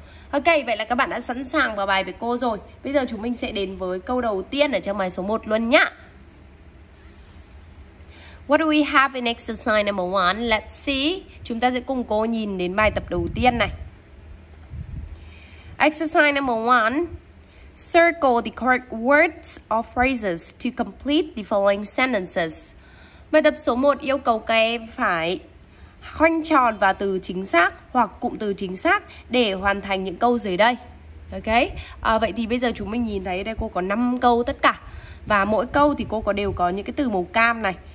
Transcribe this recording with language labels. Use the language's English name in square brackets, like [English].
[Vietnamese] Ok, vậy là các bạn đã sẵn sàng vào bài với cô rồi. Bây giờ chúng mình sẽ đến với câu đầu tiên ở trong bài số 1 luôn nhá. What do we have in exercise number 1? Let's see. Chúng ta sẽ cùng cô nhìn đến bài tập đầu tiên này. [English] Exercise number 1. Circle the correct words or phrases to complete the following sentences. [Vietnamese] Bài tập số 1 yêu cầu các em phải khoanh tròn và từ chính xác hoặc cụm từ chính xác để hoàn thành những câu dưới đây. Ok? Vậy thì bây giờ chúng mình nhìn thấy đây cô có 5 câu tất cả. Và mỗi câu thì cô có đều có những cái từ màu cam này.